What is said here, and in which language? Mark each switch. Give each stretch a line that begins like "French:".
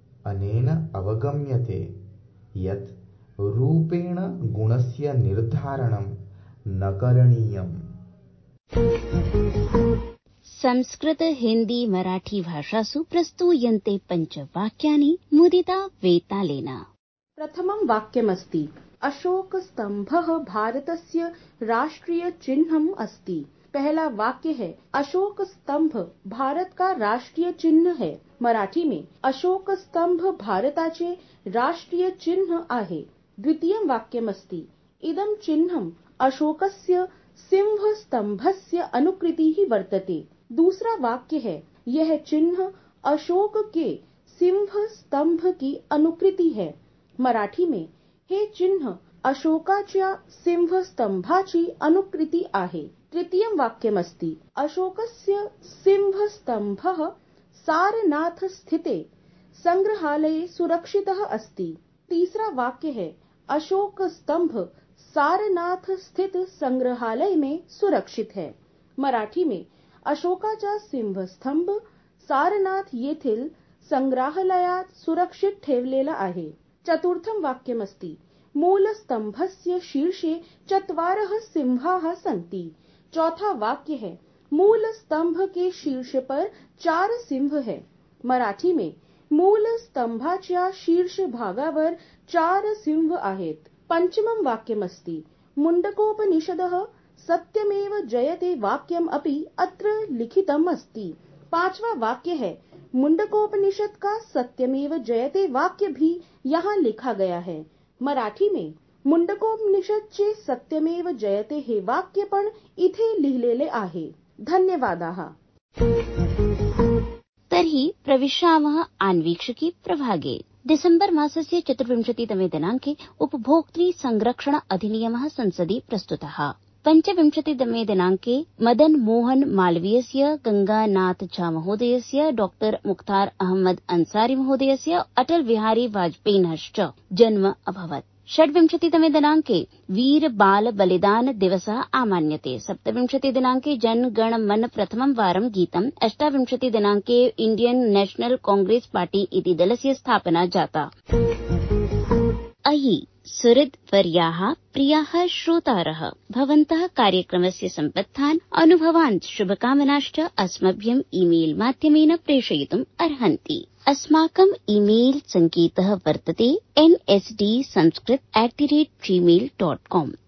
Sanskrit: अनेन अवगम्यते यत् रूपेण गुणस्य निर्धारणं न करणीयम्। संस्कृत हिंदी मराठी भाषासु प्रस्तूयन्ते पञ्चवाक्यानि मुदिता वेतालेन। प्रथमं वाक्यमस्ति, अशोक स्तंभः भारतस्य राष्ट्रीय चिह्नम् अस्ति।
Hindi: पहला वाक्य है, अशोक स्तंभ भारत का राष्ट्रीय चिन्ह है। मराठी में
Marathi: अशोक स्तंभ भारताचे राष्ट्रीय चिन्ह आहे।
Sanskrit: द्वितीय वाक्यमस्ति, इदं चिन्हम् अशोकस्य सिंह स्तंभस्य अनुकृति ही वर्तते।
Hindi: दूसरा वाक्य है, यह चिन्ह अशोक के सिंह स्तंभ की अनुकृति है। मराठी में
Marathi: हे चिन्ह अशोकाच्या सिंह स्तंभाची अनुकृति आहे।
Sanskrit: तृतीय वाक्यमस्ति, अशोकस्य सिंह स्तंभः सारनाथ स्थिते संग्रहालये सुरक्षितः अस्ति।
Hindi: तीसरा वाक्य है, अशोक स्तंभ सारनाथ स्थित संग्रहालय में सुरक्षित है। मराठी में
Marathi: अशोकाचा सिंह स्तंभ सारनाथ येथील संग्रहालयात सुरक्षित ठेवलेला आहे।
Sanskrit: चतुर्थम वाक्यमस्ति, मूल स्तंभस्य शीर्षे चत्वारः सिंहाः सन्ति।
Hindi: चौथा वाक्य है, मूल स्तंभ के शीर्ष पर चार सिंह है। मराठी में
Marathi: मूल स्तंभाच्या शीर्ष भागावर चार सिंह आहेत।
Sanskrit: पंचमं वाक्यमस्ति, मुंडकोपनिषदः सत्यमेव जयते वाक्यम अपि अत्र लिखितम् अस्ति।
Hindi: पांचवा वाक्य है, मुंडकोपनिषद का सत्यमेव जयते वाक्य भी यहाँ लिखा गया है। मराठी में
Marathi: मुंडकोपनिषद चे सत्यमेव जयते हे वाक्य पण इथे लिहिलेले आहे।
Sanskrit: धन्यवादाः। तर्हि प्रविशावः आन्वीक्षिकी प्रभागे। दिसंबर मासस्य चतुर्विंशतितमे दिनांके उपभोक्तृ संरक्षण अधिनियमः संसदि प्रस्तुतः। पञ्चविंशतितमे दिनांके मदन मोहन मालवीयस्य, गंगानाथ झा महोदयस्य, डॉक्टर मुख्तार अहमद अंसारी महोदयस्य, अटल बिहारी वाजपेयिनश्च जन्म अभवत्। षड्विंशतितमे दिनांके वीर बाल बलिदान दिवस आमान्यते। सप्तविंशति दिनांके जन गण मन प्रथमं वारं गीतम्। अष्टाविंशति दिनांके इंडियन नेशनल कांग्रेस पार्टी इति दलस्य स्थापना जाता। अयि सुहृद् वर्याः, प्रियाः श्रोतारः, भवन्तः कार्यक्रमस्य सम्बद्धान् अनुभवान् शुभकामनाश्च अस्मभ्यम् ईमेल माध्यमेन प्रेषयितुम् अर्हन्ति। अस्माकम् ईमेल सङ्केतः वर्तते nsdsanskrit@gmail.com।